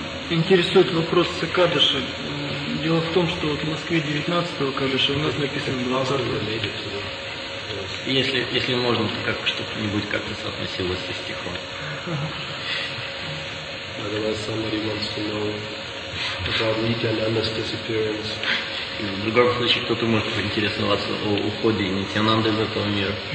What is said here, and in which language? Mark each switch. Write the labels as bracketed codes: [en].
[ru] Интересует вопрос Экадыши. Дело в том, что вот в Москве 19-го Экадыши у нас написано 20-го. Если можно, то как что-нибудь как-то соотносилось со стихом. [en] Otherwise somebody wants to know about Nityananda's disappearance. [ru] В другом случае, кто-то может поинтересоваться о уходе Нитянанды из этого мира.